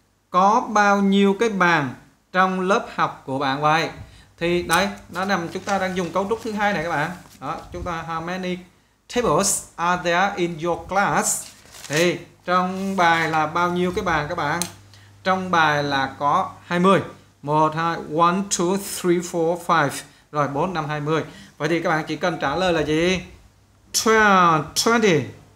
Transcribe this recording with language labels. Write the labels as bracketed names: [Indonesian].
[Vietnamese] Có bao nhiêu cái bàn trong lớp học của bạn vậy? Thì đây, nó nằm chúng ta đang dùng cấu trúc thứ hai này các bạn. Đó, chúng ta [English] how many tables are there in your class? [Vietnamese] Thì trong bài là bao nhiêu cái bàn các bạn? Trong bài là có 20. 1 2 1 2 3 4 5. Rồi 4 5 20. Vậy thì các bạn chỉ cần trả lời là gì? 20.